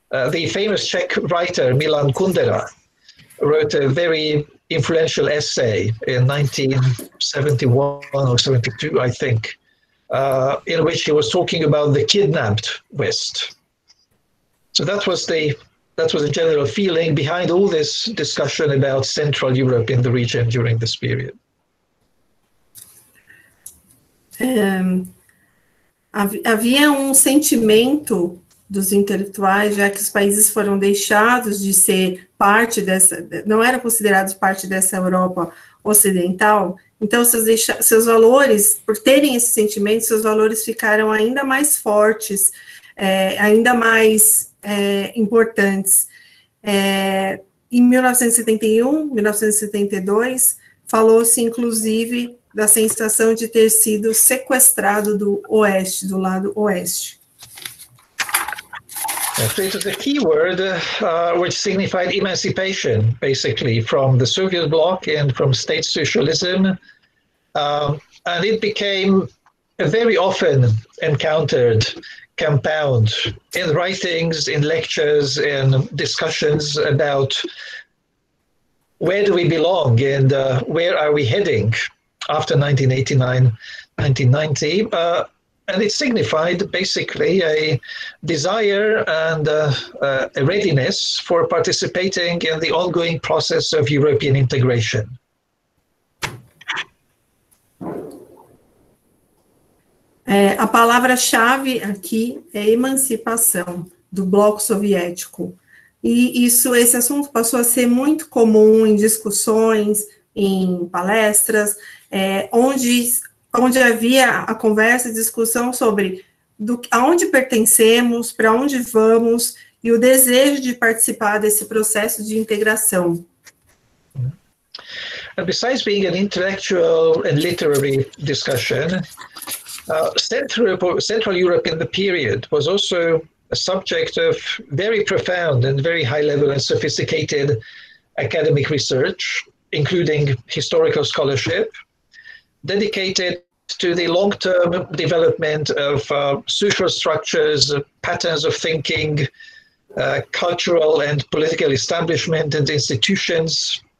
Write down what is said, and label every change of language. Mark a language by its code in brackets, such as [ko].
[en] The famous Czech writer Milan Kundera wrote a very influential essay in 1971 or 72, I think, in which he was talking about the kidnapped West. So that was a general feeling behind all this discussion about Central Europe in the region during this period. [pt] Havia sentimento dos intelectuais, já que os países foram deixados de ser parte dessa, não eram considerados parte dessa Europa ocidental, então seus valores, por terem esse sentimento, seus valores ficaram ainda mais fortes, ainda mais importantes. Em 1971, 1972, falou-se inclusive da sensação de ter sido sequestrado do Oeste, do lado Oeste. [en] So it was a key word which signified emancipation, basically, from the Soviet bloc and from state socialism. And it became a very often encountered compound in writings, in lectures, in discussions about where do we belong and where are we heading after 1989, 1990. And it signified basically a desire and a readiness for participating in the ongoing process of European integration. [pt] A palavra-chave aqui é emancipação do bloco soviético. E isso, esse assunto passou a ser muito comum em discussões, em palestras, onde havia a conversa e discussão sobre aonde pertencemos, para onde vamos, e o desejo de participar desse processo de integração. [en] And besides being an intellectual and literary discussion, Central Europe in the period was also a subject of very profound and very high level and sophisticated academic research, including historical scholarship, dedicated to the long-term development of social structures, patterns of thinking, cultural and political establishment and institutions.